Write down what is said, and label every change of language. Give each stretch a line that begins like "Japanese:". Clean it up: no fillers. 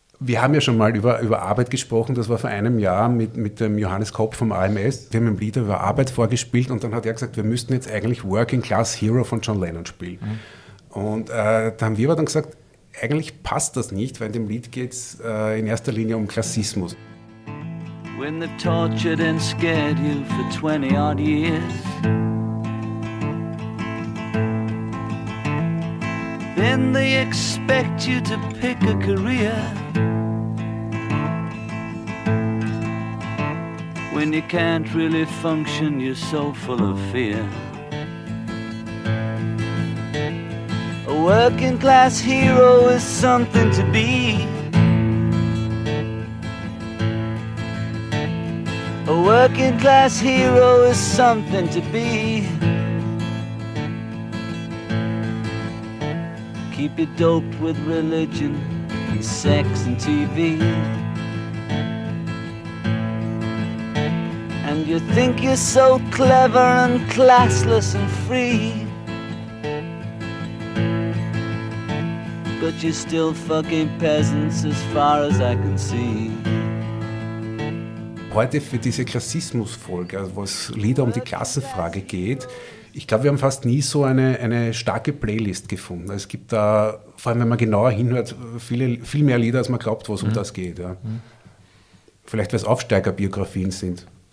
German: Wir haben ja schon mal über Arbeit gesprochen. Das war vor einem Jahr mit dem Johannes Kopp vom AMS. Wir haben ein Lied über Arbeit vorgespielt und dann hat er gesagt, wir müssten jetzt eigentlich Working Class Hero von John Lennon spielen. Mhm. Und da haben wir aber dann gesagt, eigentlich passt das nicht, weil in dem Lied geht es in erster Linie um Klassismus.
English: When they've tortured and scared you for 20-odd years, then they expect you to pick a career. When you can't really function, you're so full of fear. A working class hero is something to be. A working class hero is something to be. Keep you doped with religion and sex and TV. And you think you're so clever and classless and free. But you're still fucking peasants as far as I can see.
German: Heute für diese Klassismusfolge, also wo es Lieder um die Klassenfrage geht, ich glaube, wir haben fast nie so eine starke Playlist gefunden. Es gibt da, vor allem wenn man genauer hinhört, viel mehr Lieder, als man glaubt, wo es um das geht. Ja. Vielleicht, weil es Aufsteigerbiografien sind.